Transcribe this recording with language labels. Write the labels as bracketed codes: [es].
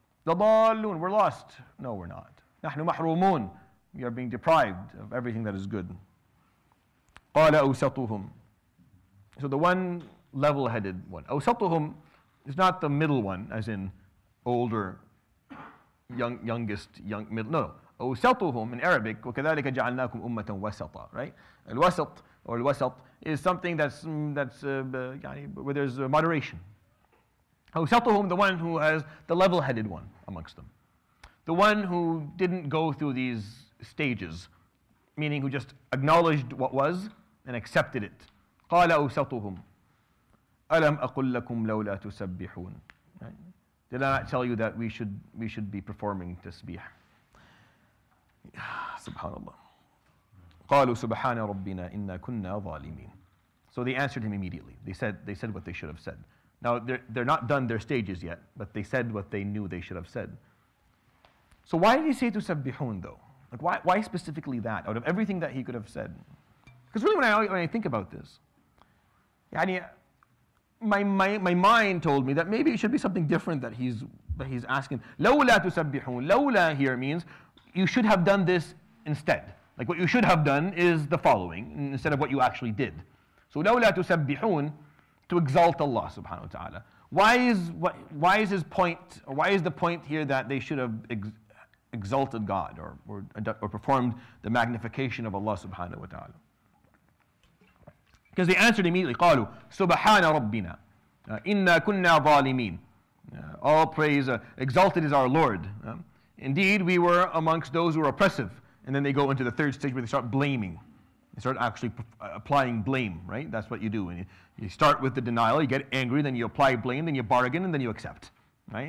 [en] Dallalun, we're lost. No, we're not. [ar] نحن محرومون. [en] We are being deprived of everything that is good. [ar] قال أوسطهم. [en] So the one level-headed one. أوسطهم is not the middle one, as in older, youngest, middle. No. [ar] أوسطهم [en] in Arabic, [ar] وكذلك جعلناكم أمة وسطا. [en] Right? الوسط or الوسط is something where there's moderation. أوسطهم, the one who has the level-headed one amongst them. The one who didn't go through these stages, meaning who just acknowledged what was and accepted it. [ar] قال أوسطهم ألم أقل لكم لولا تسبحون. [en] Did I not tell you that we should be performing tasbih? [ar] SubhanAllah. قالوا سبحان ربنا إنا كنا ظالمين. [en] So they answered him immediately. They said what they should have said. Now they're not done their stages yet, but they said what they knew they should have said. So why did he say تسبحون though? Like why specifically that out of everything that he could have said? Because really when I think about this, yani my mind told me that maybe it should be something different that he's asking. [ar] لولا تسبحون. [en] لولا here means you should have done this instead. Like what you should have done is the following instead of what you actually did. So لولا تسبحون, to exalt Allah subhanahu wa ta'ala. Why is the point here that they should have exalted God or performed the magnification of Allah subhanahu wa ta'ala? Because they answered immediately, [ar] قالوا سبحان ربنا إنا كنا ظالمين. [en] All praise, exalted is our Lord. Indeed, we were amongst those who were oppressive. And then they go into the third stage where they start blaming. They start actually applying blame, right? That's what you do. And you start with the denial, you get angry, then you apply blame, then you bargain, and then you accept. Right?